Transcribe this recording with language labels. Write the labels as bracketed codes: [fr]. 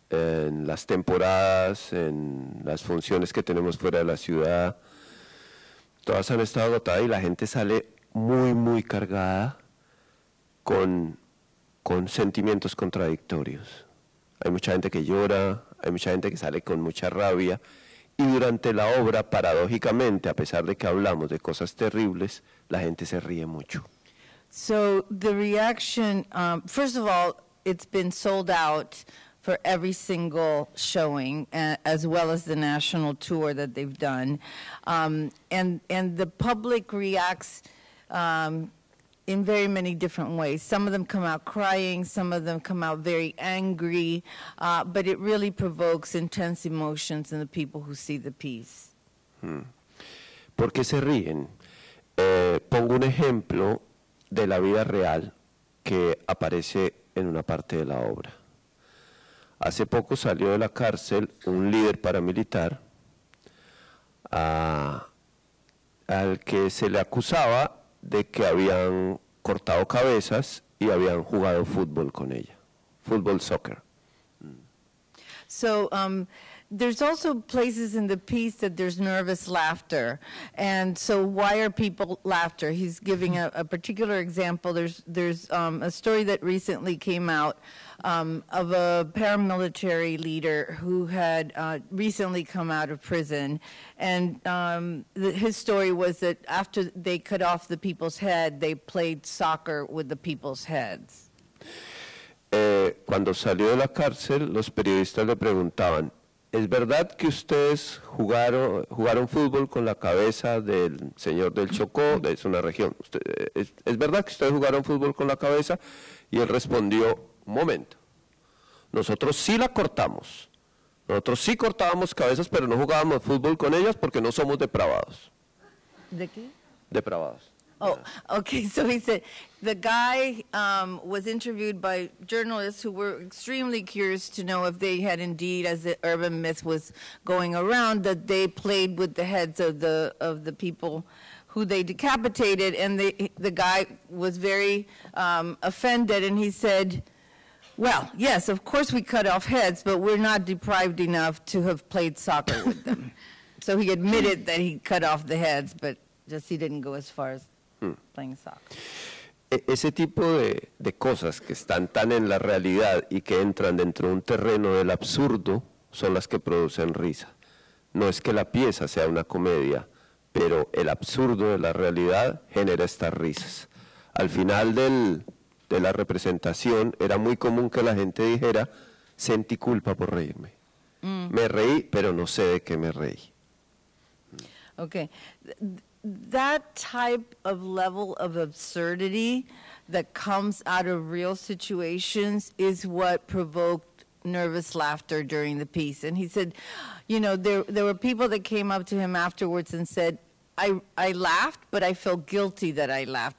[es] En las temporadas, en las funciones que tenemos fuera de la ciudad, todas han estado agotadas y la gente sale muy, muy cargada con sentimientos contradictorios. Hay mucha gente que llora, hay mucha gente que sale con mucha rabia y durante la obra, paradójicamente, a pesar de que hablamos de cosas terribles, la gente se ríe mucho. [en] So, the reaction, first of all, it's been sold out for every single showing, as well as the national tour that they've done. And the public reacts in very many different ways. Some of them come out crying, some of them come out very angry, but it really provokes intense emotions in the people who see the piece. [es] ¿Por qué se ríen? Pongo un ejemplo de la vida real que aparece en una parte de la obra. Hace poco salió de la cárcel un líder paramilitar al que se le acusaba de que habían cortado cabezas y habían jugado fútbol con ella. Fútbol, soccer. [en] So there's also places in the piece that there's nervous laughter. And so why are people laughter? He's giving a particular example. There's a story that recently came out of a paramilitary leader who had recently come out of prison. And his story was that after they cut off the people's head, they played soccer with the people's heads. [es] Cuando salió de la cárcel, los periodistas le preguntaban, ¿es verdad que ustedes jugaron fútbol con la cabeza del señor del Chocó? Es una región. ¿Es verdad que ustedes jugaron fútbol con la cabeza? Y él respondió, un momento, nosotros sí la cortamos. Nosotros sí cortábamos cabezas, pero no jugábamos fútbol con ellas porque no somos depravados. ¿De qué? Depravados. [en] Oh, okay, so he said, the guy was interviewed by journalists who were extremely curious to know if they had indeed, as the urban myth was going around, that they played with the heads of the people who they decapitated, and the guy was very offended, and he said, well, yes, of course we cut off heads, but we're not deprived enough to have played soccer with them. So he admitted that he cut off the heads, but just he didn't go as far as playing soccer. [es] Ese tipo de cosas que están tan en la realidad y que entran dentro de un terreno del absurdo son las que producen risa. No es que la pieza sea una comedia, pero el absurdo de la realidad genera estas risas. Al final de la representación era muy común que la gente dijera, sentí culpa por reírme. Me reí, pero no sé de qué me reí. [en] Okay. That type of level of absurdity that comes out of real situations is what provoked nervous laughter during the piece. And he said, you know, there were people that came up to him afterwards and said, I laughed, but I feel guilty that I laughed.